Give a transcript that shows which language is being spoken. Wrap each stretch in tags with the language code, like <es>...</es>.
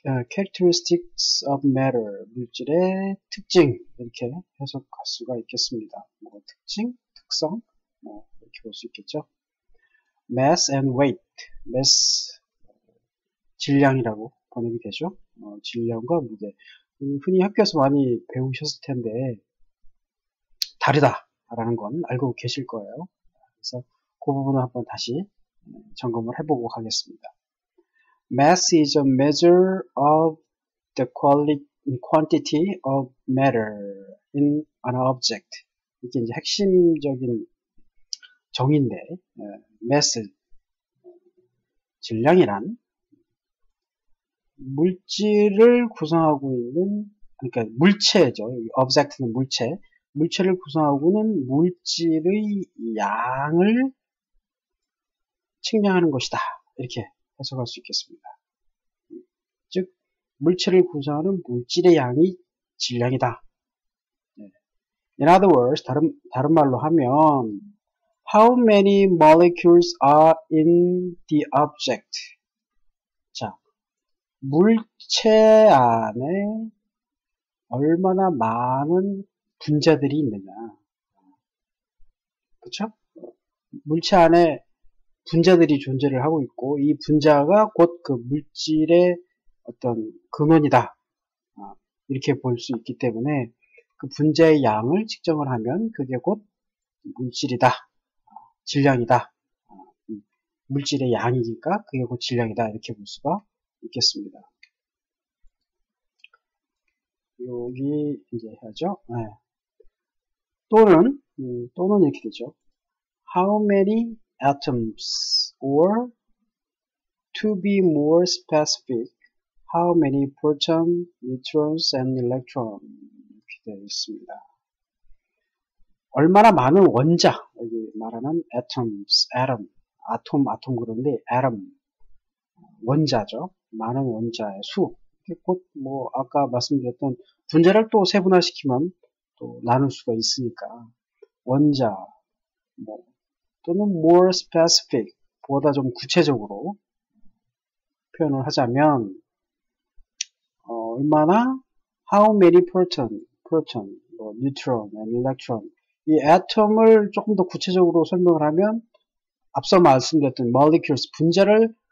<ko>characteristics of matter, 물질의 특징, 이렇게 해석할 수가 있겠습니다. 뭐 특징, 특성, 뭐 이렇게 볼수 있겠죠. mass and weight, mass 질량이라고 번역이 되죠. 질량과 무게. 흔히 학교에서 많이 배우셨을 텐데 다르다라는 건 알고 계실 거예요. 그래서 그 부분을 한번 다시 점검을 해보고 하겠습니다.</ko> <en>mass is a measure of the quantity of matter in an object.</en> <ko>이게 이제 핵심적인 정의인데, mass, 질량이란 물질을 구성하고 있는, 그러니까 물체죠. object는 물체. 물체를 구성하고는 물질의 양을 측량하는 것이다. 이렇게 해석할 수 있겠습니다. 물체를 구성하는 물질의 양이 질량이다.</ko> <en>In other words,</en> <ko>다른 말로 하면,</ko> <en>How many molecules are in the object?</en> <ko>자, 물체 안에 얼마나 많은 분자들이 있느냐. 그쵸? 물체 안에 분자들이 존재를 하고 있고, 이 분자가 곧그 물질의 어떤 근원이다. 이렇게 볼수 있기 때문에 그 분자의 양을 측정을 하면 그게 곧 물질이다. 질량이다. 물질의 양이니까 그게 곧 질량이다. 이렇게 볼 수가 있겠습니다. 여기 이제 해야죠. 네. 또는 이렇게 되죠.</ko> <en>How many atoms or to be more specific, how many proton, neutrons and electron</en> <ko>이렇게 되어 있습니다. 얼마나 많은 원자, 여기 말하는 atoms, atom, atom 그런데 atom, 원자죠. 많은 원자의 수. 곧뭐 아까 말씀드렸던 분자를 또 세분화시키면 또 나눌 수가 있으니까 원자, 뭐 또는 more specific, 보다 좀 구체적으로 표현을 하자면 얼마나</ko> <en>how many proton,</en> <ko>뭐 neutron and electron 이 애텀을 조금 더 구체적으로 설명을 하면 앞서 말씀드렸던 molecules 분자를</ko>